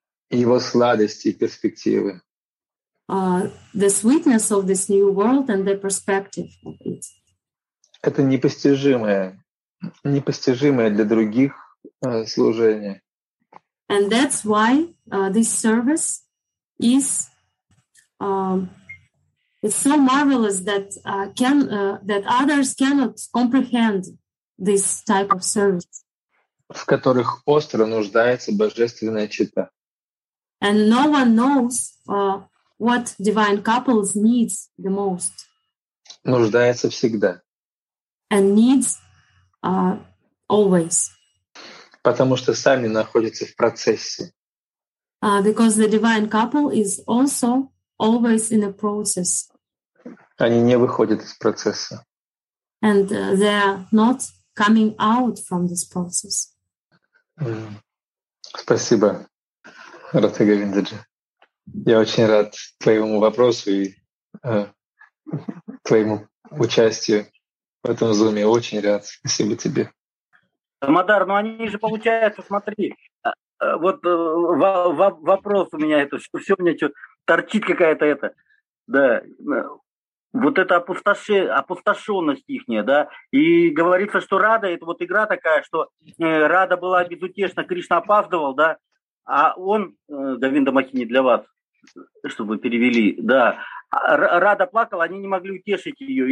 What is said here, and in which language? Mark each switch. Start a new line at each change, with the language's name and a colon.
Russian: Его сладость и перспективы.
English: The sweetness of this new world and the perspective of it.
Russian: Это непостижимое для других служение.
English: And that's why this service is it's so marvelous that that others cannot comprehend this type of service.
Russian: В которых остро нуждается божественная чита.
English: And no one knows what divine couples needs the most.
Russian: Нуждается всегда.
English: And needs always.
Russian: Потому что сами находятся в процессе.
English: Because the divine couple is also always in a process.
Russian: Они не выходят из процесса.
English: And they are not coming out from this process.
Russian: Спасибо, Радха Говиндаджи. Я очень рад твоему вопросу и твоему участию. В этом зуме очень рад. Спасибо тебе. Дамодар, ну они же, получается, смотри, вот вопрос у меня, это, что все у меня что, торчит какая-то это, да, вот эта опустошенность ихняя, да, и говорится, что Рада, это вот игра такая, что Рада была безутешна, Кришна опаздывал, да, а он, Говинда Махини, для вас, чтобы перевели, да, Рада плакала, они не могли утешить ее.